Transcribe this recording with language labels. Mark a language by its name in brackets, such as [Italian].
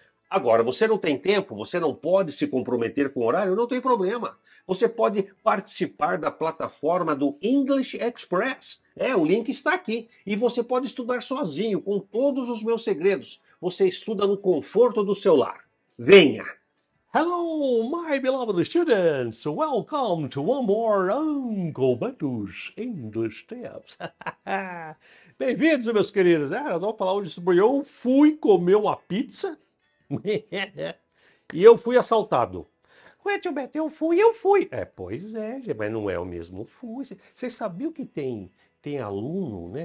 [Portuguese] Agora, você não tem tempo, você não pode se comprometer com o horário, não tem problema. Você pode participar da plataforma do English Express. É, o link está aqui. E você pode estudar sozinho, com todos os meus segredos. Você estuda no conforto do seu lar. Venha! [English] Hello, my beloved students. Welcome to one more Uncle Beto's English Tips. [Portuguese] Bem-vindos, meus queridos. É, nós vamos falar hoje sobre eu fui comer uma pizza e eu fui assaltado. Ué, tio Beto, eu fui. É, pois é, mas não é o mesmo fui. Você sabia que tem aluno, né?